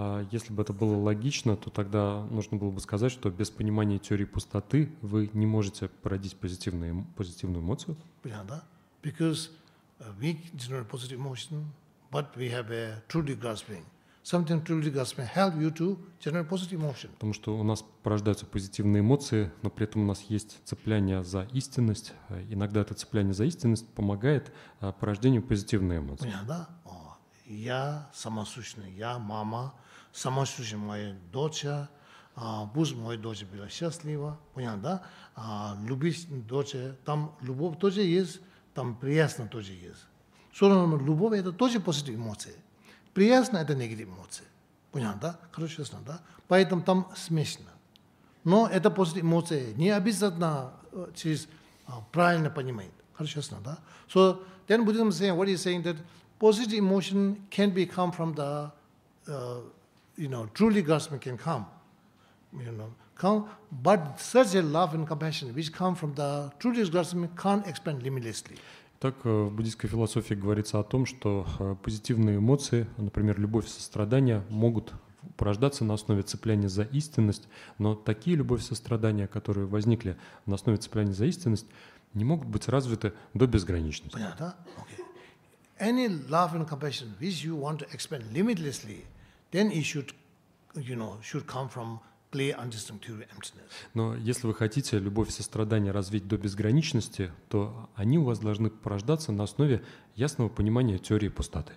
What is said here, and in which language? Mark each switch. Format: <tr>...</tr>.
<ru>Если бы это было логично, то тогда нужно было бы сказать, что без понимания теории пустоты вы не можете породить позитивную эмоцию. Понятно, да?</ru> <en>Because we generate positive emotion, but we have a truly grasping. Something truly grasping help you to generate positive emotion.</en> <ru>Потому что у нас порождаются позитивные эмоции, но при этом у нас есть цепляние за истинность. Иногда это цепляние за истинность помогает порождению позитивной эмоции. Понятно, да? О, я самосущный, я мама, самосущная моя дочь, пусть моя дочь была счастлива, понятно, да? Любить дочь, там любовь тоже есть, там приятно тоже есть. Но любовь – это тоже позитивные эмоции. Приятно – это негативные эмоции. Понятно, да? Короче, ясно, да? Поэтому там смешно. Но это после эмоции не обязательно через правильно понимает. Короче, ясно, да?</ru> <en>So, then Buddhism saying, what he's saying, that positive emotion can be come from the, you know, truly grasping can come, you know, come, but such a love and compassion which come from the truly grasping can't expand limitlessly.</en> <ru>Так в буддийской философии говорится о том, что позитивные эмоции, например, любовь и сострадание, могут порождаться на основе цепляния за истинность, но такие любовь и сострадание, которые возникли на основе цепляния за истинность, не могут быть развиты до безграничности. Понятно, да? Okay.</ru> <en>Any love and compassion which you want to expand limitlessly, then it should, you know, should come from clear understanding to emptiness.</en> <ru>Но если вы хотите любовь и сострадание развить до безграничности, то они у вас должны порождаться на основе ясного понимания теории пустоты.</ru>